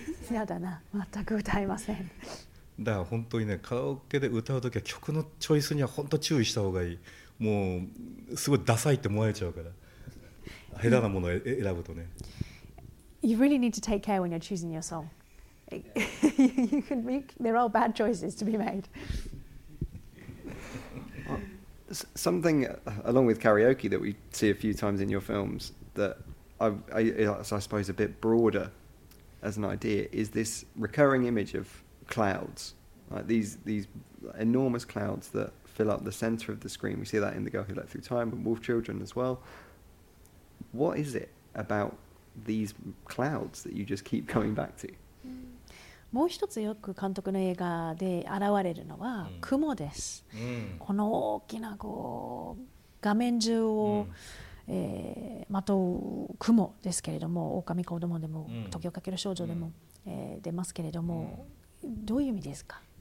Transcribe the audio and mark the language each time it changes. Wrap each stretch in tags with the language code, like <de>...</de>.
<ja>やだな、全く歌いません。だから本当にね、カラオケで歌うときは曲のチョイスには本当注意した方がいい。もうすごいダサいって思われちゃうから、下手なものを選ぶとね。</ja> <en>You really need to take care when you're choosing your song. There are bad choices to be made. Something along with karaoke that we see a few times in your films that I suppose a bit broader as an idea is this recurring image of clouds, like these enormous clouds that fill up the center of the screen. We see that in The Girl Who Let Through Time and Wolf Children as well. What is it about these clouds that you just keep coming back to?</en> <ja>もう一つよく監督の映画で現れるのは雲です。この大きなこう画面中をまとう雲ですけれども、狼子供でも時をかける少女でも出ますけれども、どういう意味ですか？</ja>